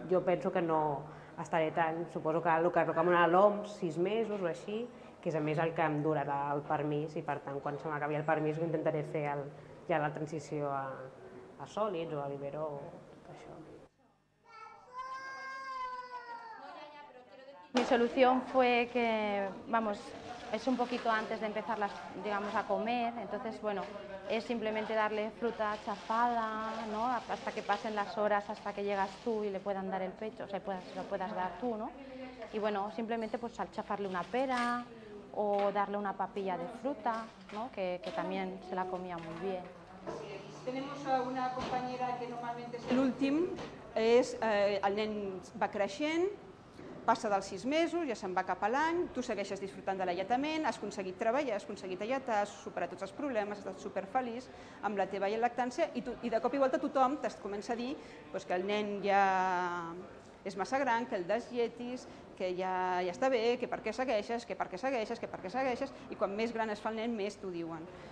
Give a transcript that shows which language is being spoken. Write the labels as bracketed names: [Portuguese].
[Catalan] Jo penso que no estaré tant, suposo que el que toca a l'OMS, 6 mesos o així, que és a més el que em durarà el permís i per tant quan se m'acabi el permís ho intentaré fer ja la transició a sòlids o a Libero o tot això. [Spanish] Mi solución fue que, vamos, es un poquito antes de empezar las, digamos, a comer, entonces bueno, es simplemente darle fruta chafada, ¿no? Hasta que pasen las horas, hasta que llegas tú y le puedan dar el pecho, o sea, lo puedas dar tú, ¿no? Y bueno, simplemente pues al chafarle una pera o darle una papilla de fruta, ¿no? Que también se la comía muy bien. Tenemos a una compañera que normalmente es el último, es el nen va creciendo. [Catalan] Passa dels 6 mesos, ja se'n va cap a l'any, tu segueixes disfrutant de l'alletament, has aconseguit treballar, has aconseguit alletar, has superat tots els problemes, has estat superfeliç amb la teva lactància i de cop i volta tothom et comença a dir pues, que el nen ja és massa gran, que el deslletis, que ja està bé, que per què segueixes, que per què segueixes, que per què segueixes, i quan més gran es fa el nen, més t'ho diuen.